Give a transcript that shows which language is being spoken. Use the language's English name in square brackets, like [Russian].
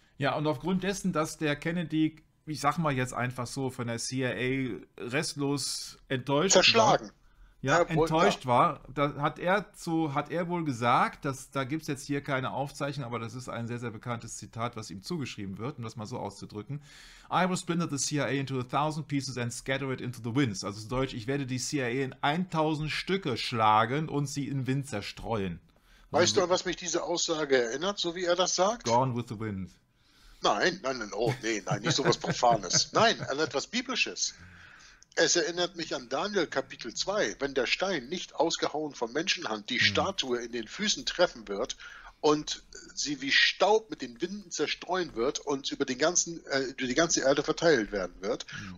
[German] Ja, und aufgrund dessen, dass der Kennedy, ich sag mal jetzt einfach so, von der CIA restlos enttäuscht. Zerschlagen. War, enttäuscht war. Da hat er zu, hat er wohl gesagt, dass, da gibt es jetzt hier keine Aufzeichnung, aber das ist ein sehr, sehr bekanntes Zitat, was ihm zugeschrieben wird, um das mal so auszudrücken. [English] I will splinter the CIA into 1,000 pieces and scatter it into the winds. [German] Also zu Deutsch, ich werde die CIA in 1,000 Stücke schlagen und sie in Wind zerstreuen. Weißt du, an was mich diese Aussage erinnert, so wie er das sagt? [English] Gone with the wind. [German] Nein, nein, nein, oh nee, nein, nicht sowas Profanes. Nein, an etwas Biblisches. Es erinnert mich an Daniel Kapitel 2, wenn der Stein nicht ausgehauen von Menschenhand die Statue in den Füßen treffen wird und sie wie Staub mit den Winden zerstreuen wird und über den ganzen, über die ganze Erde verteilt werden wird. Mhm.